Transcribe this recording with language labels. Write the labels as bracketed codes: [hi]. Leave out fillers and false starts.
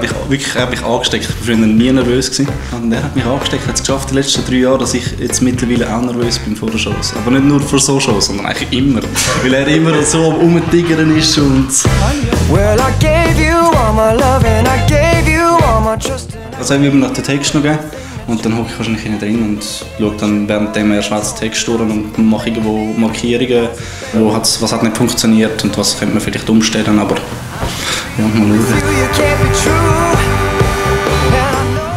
[de] Ich habe mich angesteckt. Ich war früher nie nervös. Und er hat mich angesteckt. Er hat es geschafft, die letzten drei Jahre, dass ich jetzt mittlerweile auch nervös bin vor der Show. Aber nicht nur vor so Shows, sondern eigentlich immer. Weil er immer so am Umtigern ist. [en] Und well, I gave you all my love and I gave you all my trust. [de] Also, ich würde mir noch den Text noch geben. Und dann hocke ich wahrscheinlich hinten drin und schaue dann währenddem erst mal den Text durch und mache irgendwo Markierungen. Wo hat's, was hat nicht funktioniert und was könnte man vielleicht umstellen. Aber ja, mal schauen.